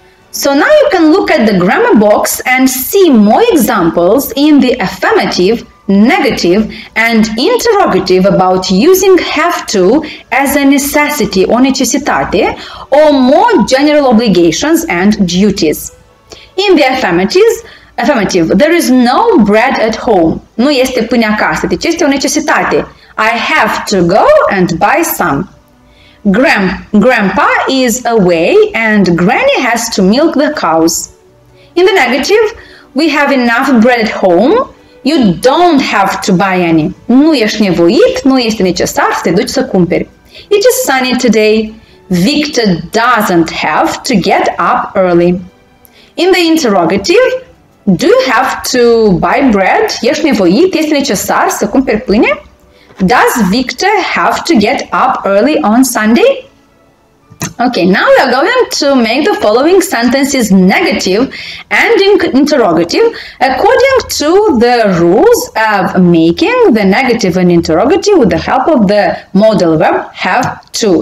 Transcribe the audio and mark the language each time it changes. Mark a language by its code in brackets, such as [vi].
[en] So now you can look at the grammar box and see more examples in the affirmative, negative, and interrogative about using have to as a necessity, [ro] o necesitate, [en] or more general obligations and duties. In the affirmative, there is no bread at home. [ro] Nu este pâine acasă, deci este o necesitate. [en] I have to go and buy some. Grandpa is away and granny has to milk the cows. In the negative, we have enough bread at home. You don't have to buy any. [ro] Nu ești nevoit, nu este necesar să te duci să cumperi. [en] It is sunny today. Victor doesn't have to get up early. In the interrogative, do you have to buy bread? [ro] Ești nevoit, este necesar să cumperi pâine? [en] Does Victor have to get up early on Sunday? Okay, now we are going to make the following sentences negative and interrogative according to the rules of making the negative and interrogative with the help of the modal verb have to.